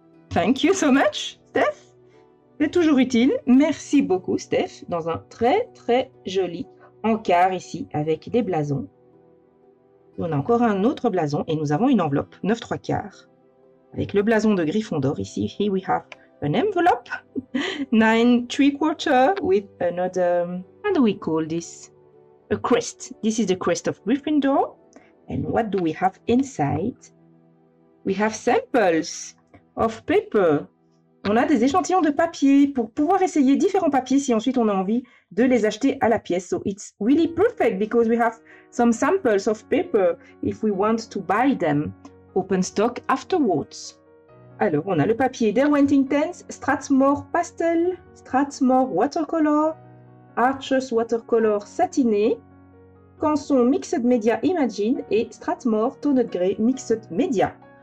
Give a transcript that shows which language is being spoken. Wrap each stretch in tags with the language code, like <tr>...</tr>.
<en>Thank you so much, Steph.</en> <fr>C'est toujours utile. Merci beaucoup, Steph, dans un très, très joli encart ici avec des blasons. On a encore un autre blason et nous avons une enveloppe 9 3/4 avec le blason de Gryffondor ici.</fr> <en>Here we have an envelope 9 3/4 with another, how do we call this? A crest. This is the crest of Gryffindor. And what do we have inside? We have samples of paper.</en> <fr>On a des échantillons de papier pour pouvoir essayer différents papiers si ensuite on a envie de les acheter à la pièce.</fr> <en>So it's really perfect because we have some samples of paper if we want to buy them open stock afterwards.</en> <fr>Alors, on a le papier Derwent Intense, Strathmore Pastel, Strathmore Watercolor, Archer's Watercolor Satiné, Canson Mixed Media Imagine et Strathmore Toned Grey Mixed Media.</fr>